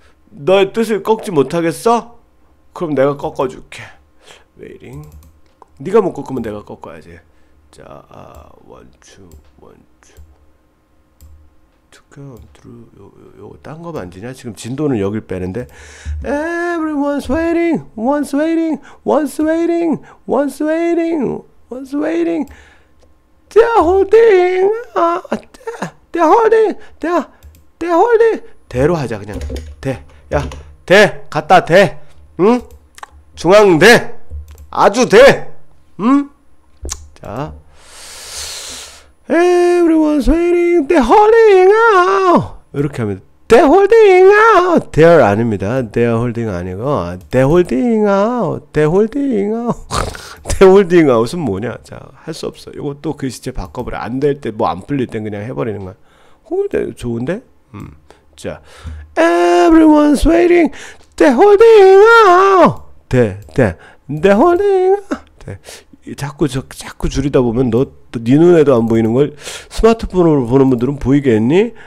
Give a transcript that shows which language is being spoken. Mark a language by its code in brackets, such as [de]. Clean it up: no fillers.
[ko] 너의 뜻을 꺾지 못하겠어? 그럼 내가 꺾어줄게. Waiting. 네가 못 꺾으면 내가 꺾어야지. [en] 자, one, two, one, two. Come through. [ko] 요 딴 거 만지냐? 지금 진도는 여길 빼는데. [en] Everyone's waiting, once waiting, once waiting, once waiting, once waiting. They're holding. They're holding. They're holding. [ko] 대로 하자 그냥. 대. 야, 대. 갖다 대. 응? 중앙 대. 아주 대. 응? 자. [en] Everyone's waiting, they're holding out. [ko] 이렇게 하면 [en] they're holding out. [ko] They're 아닙니다. [en] They're holding 아니고 they're holding out. They're holding out. they're holding out은 뭐냐? [ko] 자, 할 수 없어. 이것도 글씨체 바꿔버려. 안 될 때 뭐 안 풀릴 땐 그냥 해버리는 거야. 좋은데? [en] 자, everyone's waiting, they're holding out. They're holding out. [ko] 자꾸 줄이다 보면 너 네 눈에도 안 보이는 걸 스마트폰으로 보는 분들은 보이겠니?